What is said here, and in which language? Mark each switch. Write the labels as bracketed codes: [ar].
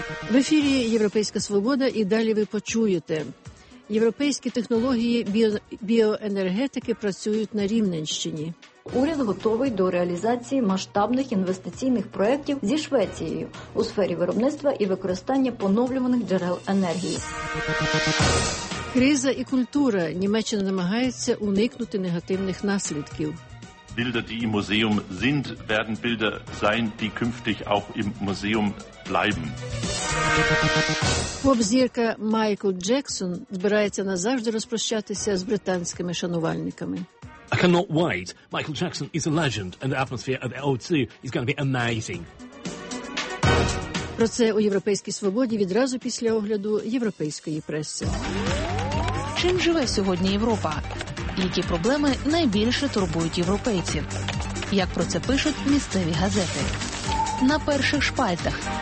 [uk] В ефірі «Європейська свобода» і далі ви почуєте. Європейські технології біоенергетики працюють на Рівненщині. Уряд готовий до реалізації масштабних інвестиційних проєктів зі Швецією у сфері виробництва і використання поновлюваних джерел енергії. Криза і культура. Німеччина намагається уникнути негативних наслідків. [de] Bilder, die im Museum sind, werden Bilder sein, die künftig auch im Museum bleiben. [uk] Поп-зірка Майкл Джексон збирається назавжди розпрощатися з британськими шанувальниками. [en] I cannot wait. Michael Jackson is a legend and the atmosphere at the O2 is going to be amazing. [uk] Про це у Європейській свободі відразу після огляду європейської преси. Чим живе сьогодні Європа? Які проблеми найбільше турбують європейців? Як про це пишуть місцеві газети? На перших шпальтах.